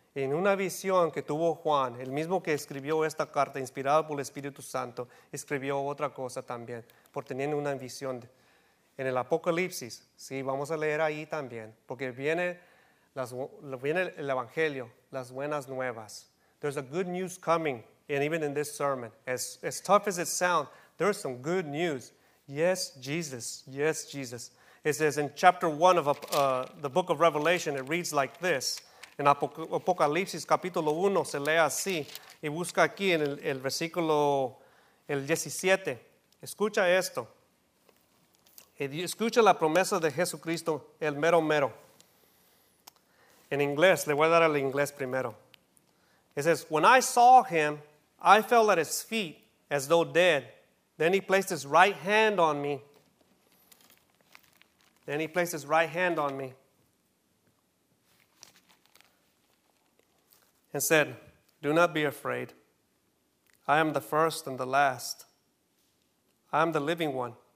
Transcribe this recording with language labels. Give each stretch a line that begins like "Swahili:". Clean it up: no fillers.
Spanish: En una visión que tuvo Juan, el mismo que escribió esta carta, inspirado por el Espíritu Santo, escribió otra cosa también, por tener una visión. En el Apocalipsis, sí, vamos a leer ahí también, porque viene el Evangelio, las buenas nuevas.
English: There's a good news coming, and even in this sermon, as tough as it sounds, there's some good news. Yes, Jesus, yes, Jesus. It says in chapter 1 of the book of Revelation, it reads like this.
Spanish: En Apocalipsis capítulo 1 se lee así y busca aquí en el versículo el 17. Escucha esto. Escucha la promesa de Jesucristo, el mero mero. En inglés, le voy a dar el inglés primero.
English: It says, when I saw him, I fell at his feet as though dead. Then he placed his right hand on me. Then he placed his right hand on me. And said, do not be afraid. I am the first and the last. I am the living one.